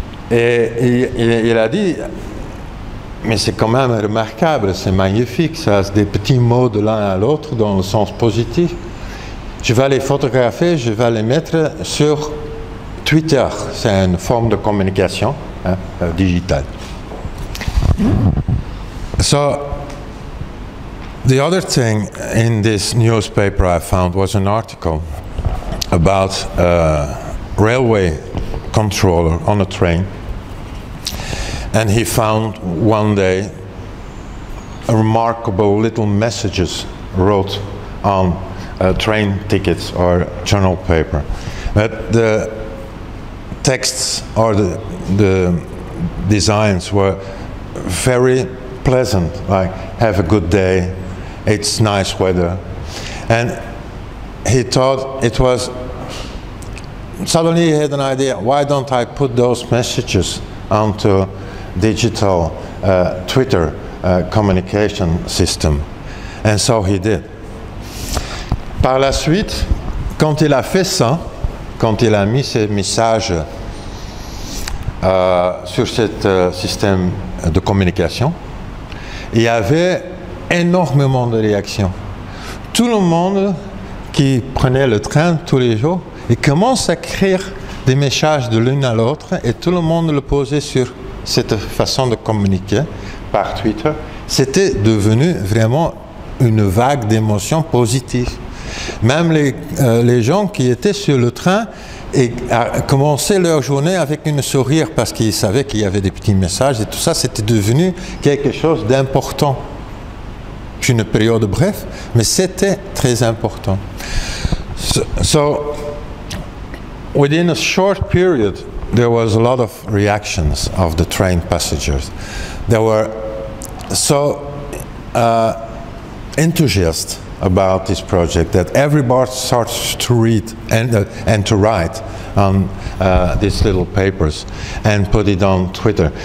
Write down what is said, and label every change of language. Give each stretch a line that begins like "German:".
French: Et il a dit, mais c'est quand même remarquable, c'est magnifique, ça, c'est des petits mots de l'un à l'autre dans le sens positif. Je vais les photographier, je vais les mettre sur Twitter, c'est une forme de communication digitale.
English: So, the other thing in this newspaper I found was an article about a railway controller on a train. And he found one day a remarkable little messages wrote on train tickets or journal paper. But the texts or the designs were very pleasant, like have a good day, it's nice weather. And he thought it was, suddenly he had an idea, why don't I put those messages onto digital Twitter communication system. And so he did.
French: Par la suite, quand il a fait ça, quand il a mis ses messages sur ce système de communication, il y avait énormément de réactions. Tout le monde qui prenait le train tous les jours, il commence à écrire des messages de l'une à l'autre et tout le monde le posait sur cette façon de communiquer par Twitter, c'était devenu vraiment une vague d'émotions positives. Même les gens qui étaient sur le train et commençaient leur journée avec un sourire parce qu'ils savaient qu'il y avait des petits messages et tout ça, c'était devenu quelque chose d'important. C'est une période bref, mais c'était très important.
English: So, within a short period, there was a lot of reactions of the train passengers. They were so enthusiastic about this project that everybody starts to read and to write on these little papers and put it on Twitter.